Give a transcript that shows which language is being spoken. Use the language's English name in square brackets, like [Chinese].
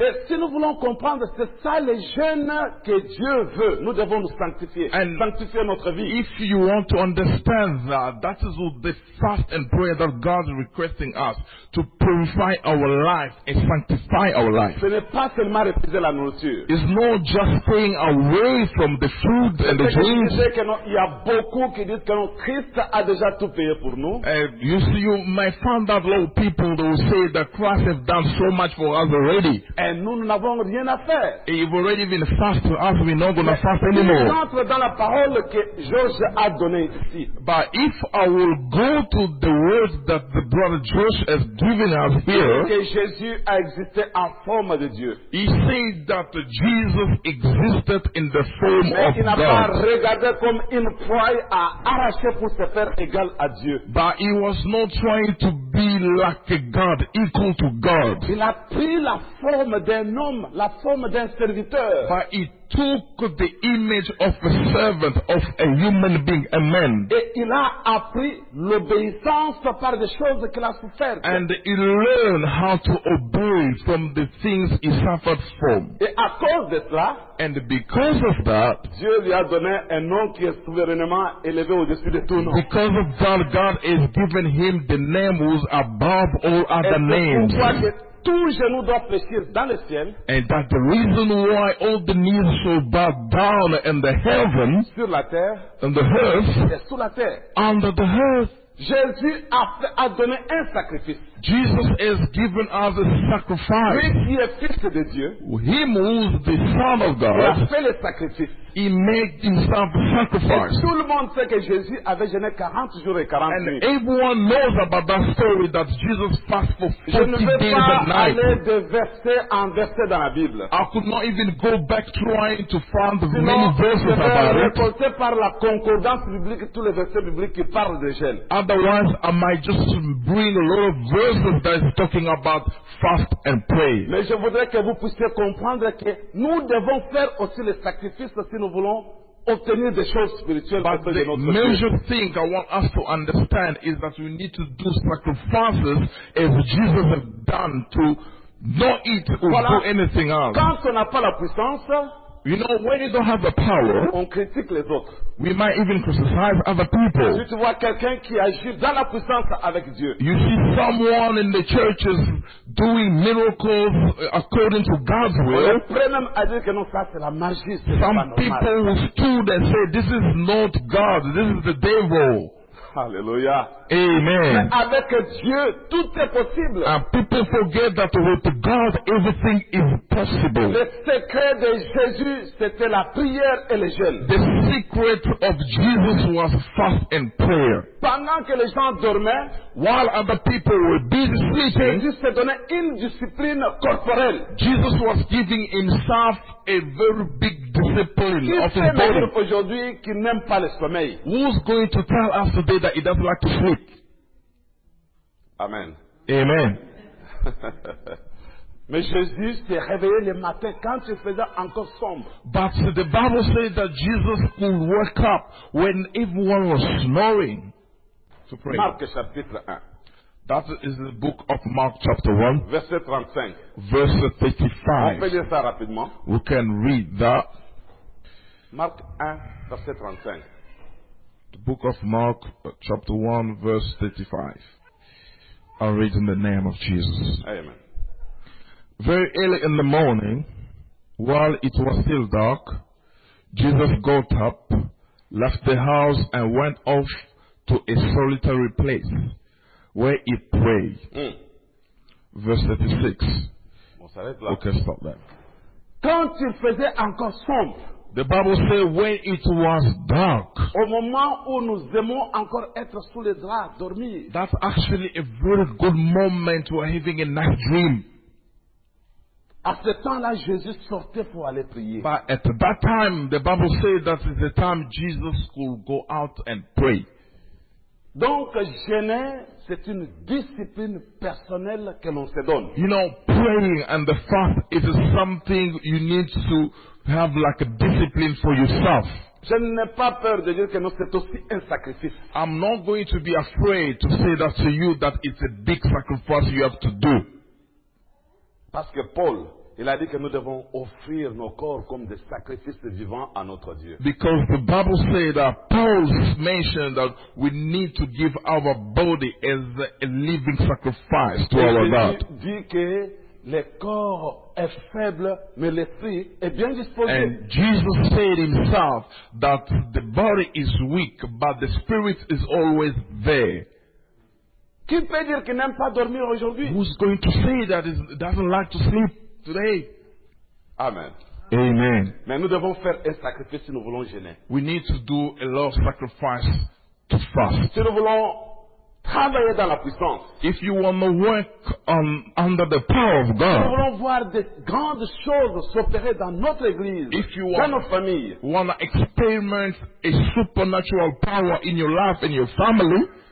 [French] Et si nous voulons comprendre, c'est ça le jeûne que Dieu veut. Nous devons nous sanctifier, [English] and [French] sanctifier notre vie. [English] If you want to understand that, that is what the fast and prayer that God is requesting us to purify our life and sanctify our life. [French] Ce n'est pas seulement refuser la nourriture. [English] It's not just staying away from the food and the drinks. [French] Il y a beaucoup qui disent que Christ a déjà tout payé pour nous. [English] You might find that a lot of people that will say that Christ has done so much for us already. [French] Et nous n'avons rien à faire. [English] You've already been fast to us. We're not going to fast anymore. [French] Mais entre dans la parole que Josh a donnée ici. [English] But if I will go to the words that the brother Josh has given us here, [French] que Jésus a existé en forme de Dieu. [English] He said that Jesus existed in the form of God. [French] Mais il n'a pas regardé comme une proie à arracher pour se faire égal à Dieu. [English] But he was not trying to be like a God, equal to God. [French] Il a pris la forme d'un homme, la forme d'un serviteur. [English] But he took the image of a servant, of a human being, a man. [French] Et il a appris l'obéissance par des choses qu'il a souffert. [English] And he learned how to obey from the things he suffered from. [French] Et à cause de cela, [English] and because of that, [French] Dieu lui a donné un nom qui est souverainement élevé au-dessus de tout nom. [English] Because of that, God has given him the name who is above all other names. [French] Tout genou doit fléchir dans le ciel. [English] And that the reason why all the knees shall bow down in the heaven, [French] sur la terre, [English] and the earth, [French] et sous la terre, [English] under the earth. [French] Jésus a donné un sacrifice. [English] Jesus has given us a sacrifice. [French] Lui qui est fils de Dieu, [English] him who is the Son of God, [French] il a fait le sacrifice. [English] He made himself a sacrifice. [French] Et tout le monde sait que Jésus avait jeûné 40 jours et 40 [English] and [French] nuits. [English] Everyone knows about that story that Jesus fasted for 40 days and nights. [French] Je ne veux pas aller de verset en verset dans la Bible. [English] I could not even go back trying to find [French] sinon, [English] many verses about it. [French] Je vais répéter par la concordance biblique tous les versets bibliques qui parlent de jeûne. [English] Otherwise, I might just bring a lot of verses that is talking about fast and pray. [French] Mais je voudrais que vous puissiez comprendre que nous devons faire aussi le sacrifice si nous voulons obtenir des choses spirituelles. [English] But the major thing I want us to understand is that we need to do sacrifices as Jesus has done to not eat or [French] voilà. [English] Do anything else. [French] Quand on n'a pas la puissance, [English] you know, when you don't have the power, [French] on critique les autres. [English] We might even criticize other people. [French] Tu vois quelqu'un qui agit dans la puissance avec Dieu. [English] You see someone in the churches doing miracles according to God's will. Some people who stood and said, this is not God, this is the devil. Hallelujah. Amen. [French] Mais avec Dieu, tout est possible. [English] And people forget that with God, everything is possible. [French] Le secret de Jésus, c'était la prière et le jeûne. [English] The secret of Jesus was fast and prayer. [French] Pendant que les gens dormaient, [English] while other people were busy sleeping, [French] Jésus s'est donné une discipline corporelle. [English] Jesus was giving himself a very big discipline [French] qui [English] of his body. [French] Qui aujourd'hui qui n'aime pas le sommeil? [English] Who's going to tell us today that he doesn't like to sleep? Amen. Amen. [French] Mais Jésus s'est réveillé le matin quand il faisait encore sombre. [English] But the Bible says that Jesus could wake up when everyone was snoring to pray. [French] Marc chapitre 1. [English] That is the book of Mark chapter 1. [French] Verset 35. [English] Verse 35. [French] On peut lire ça rapidement. [English] We can read that. [French] Marc 1, verset 35. [English] The book of Mark, chapter 1, verse 35. I'll read in the name of Jesus. Amen. Very early in the morning, while it was still dark, Jesus got up, left the house, and went off to a solitary place where he prayed. Verse 36. Okay, stop there. [French] Quand il faisait encore sombre. [English] The Bible says when it was dark. [French] Au moment où nous aimons encore être sous les draps, dormir. [English] That's actually a very good moment for having a nice dream. [French] À ce temps-là, Jésus sortait pour aller prier. [English] But at that time, the Bible says that is the time Jesus could go out and pray. [French] Donc, jeûner, c'est une discipline personnelle que l'on se donne. [English] You know, praying and the fast is something you need to have like a discipline for yourself. [French] Je n'ai pas peur de dire que non, c'est aussi un sacrifice. [English] I'm not going to be afraid to say that to you that it's a big sacrifice you have to do. [French] Parce que Paul, il a dit que nous devons offrir nos corps comme des sacrifices vivants à notre Dieu. [English] Because the Bible says that Paul mentioned that we need to give our body as a living sacrifice to [French] et [English] our God. [French] Dit que Le corps est faible, mais l'esprit est bien disposé. [English] And Jesus said himself that the body is weak, but the spirit is always there. [French] Qui peut dire qu'il n'aime pas dormir aujourd'hui? [English] Who's going to say that he doesn't like to sleep today? Amen. Amen. [French] Mais nous devons faire un sacrifice si nous voulons jeûner. [English] We need to do a lot of sacrifice to fast. [French] Si nous voulons travailler dans la puissance. [English] If you want to work under the power of God. [French] Si nous voulons voir des grandes choses s'opérer dans notre église, dans nos familles. [English] If you want to experiment a supernatural power in your life and your family.